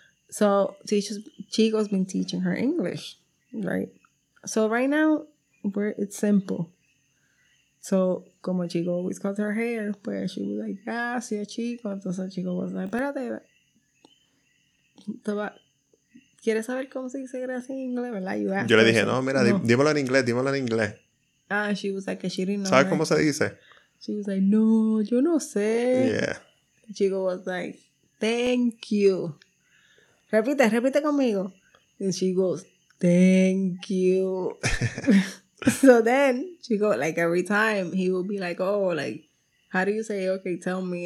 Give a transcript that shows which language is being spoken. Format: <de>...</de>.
<en>so Chico's been teaching her English, right? So right now, it's simple. So, como Chico always cut her hair, pues, she was like, gracias, Chico. Entonces, Chico was like, espérate.</en> <es>¿Quieres saber cómo se dice gracias en inglés? ¿Verdad?</es> <en>You asked.</en> <es>Yo le dije, no, mira, no. Dímelo en inglés, dímelo en inglés.</es> <en>Ah, she was like, she didn't know.</en> <es>¿Sabes cómo se dice?</es> <en>She was like,</en> <es>no, yo no sé.</es> <en>Yeah. Chico was like, thank you.</en> <es>Repite, repite conmigo.</es> <en>And she goes, thank you. So then, she go, like, every time, he will be like, oh, like, how do you say, okay, tell me.</en>